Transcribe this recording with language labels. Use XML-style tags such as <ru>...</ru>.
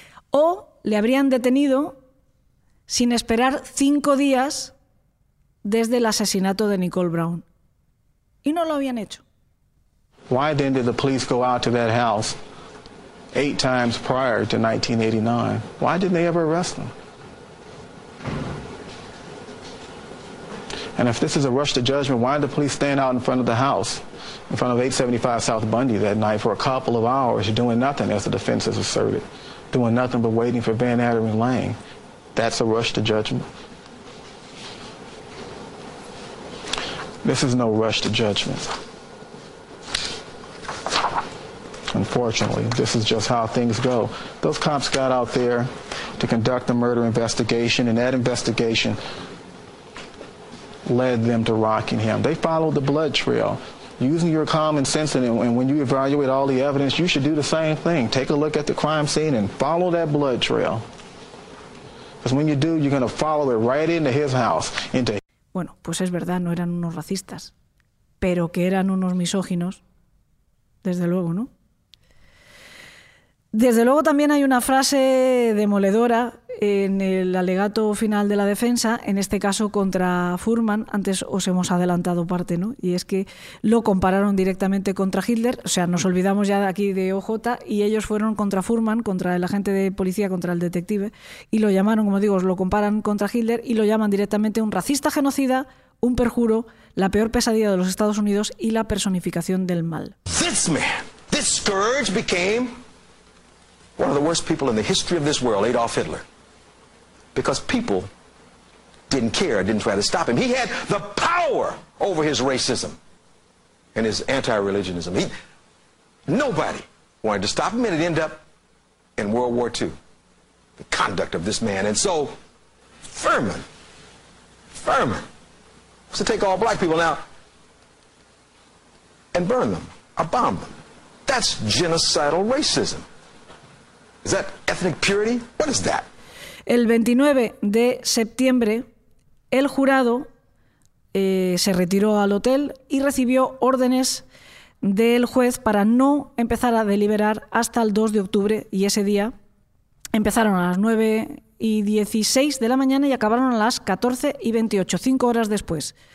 <es>O le habrían detenido sin esperar 5 días desde el asesinato de Nicole Brown. Y no lo habían hecho. ¿Por qué entonces la policía fue a esa casa</es> <en>8 times prior to 1989? Why didn't they ever arrest them? And if this is a rush to judgment, why did the police stand out in front of the house, in front of 875 South Bundy that night for a couple of hours doing nothing, as the defense has asserted, doing nothing but waiting for Van Adder and Lang? That's a rush to judgment. This is no rush to judgment. Unfortunately, this is just how things go. Those cops got out there to conduct the murder investigation, and that investigation led them to Rockingham. They followed the blood trail. Using your common sense, and when you evaluate all the evidence, you should do the same thing. Take a look at the crime scene and follow that blood trail. Because when you do, you're going to follow it right into his house.</en> <es>Bueno, pues es verdad, no eran unos racistas, pero que eran unos misóginos, desde luego, ¿no? Desde luego también hay una frase demoledora en el alegato final de la defensa, en este caso contra Furman, antes os hemos adelantado parte, ¿no? Y es que lo compararon directamente contra Hitler, o sea, nos olvidamos ya aquí de OJ, y ellos fueron contra Furman, contra el agente de policía, contra el detective, y lo llamaron, como digo, lo comparan contra Hitler y lo llaman directamente un racista genocida, un perjuro, la peor pesadilla de los Estados Unidos y la personificación del mal.</es> <en>This man, this scourge became one of the worst people in the history of this world, Adolf Hitler. Because people didn't care, didn't try to stop him. He had the power over his racism and his anti-religionism. Nobody wanted to stop him, and it ended up in World War II, the conduct of this man. And so Furman was to take all black people now and burn them, or bomb them. That's genocidal racism. Is that ethnic purity? What is that?</en> <es>El 29 de septiembre, el jurado se retiró al hotel y recibió órdenes del juez para no empezar a deliberar hasta el 2 de octubre. Y ese día empezaron a las 9 y 16 de la mañana y acabaron a las 14 y 28, 5 horas después.</es>